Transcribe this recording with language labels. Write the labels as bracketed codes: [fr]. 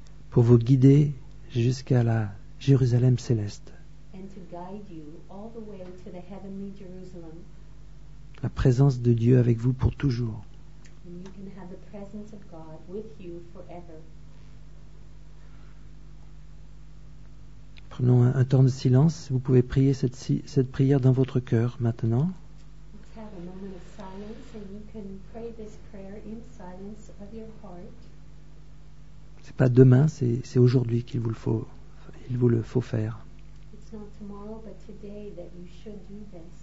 [fr] Pour vous guider jusqu'à la Jérusalem céleste. [en] And to guide you all the way to the heavenly Jerusalem. [fr] La présence de Dieu avec vous pour toujours. [en] And you can have the presence of God with you forever. [fr] Prenons un temps de silence. Vous pouvez prier cette prière dans votre cœur maintenant. [en] Let's have a moment of silence and you can pray this prayer in silence of your heart. [fr] Pas demain, c'est aujourd'hui qu'il vous le faut, il vous le faut faire. [en] It's not tomorrow, but today that you should do this.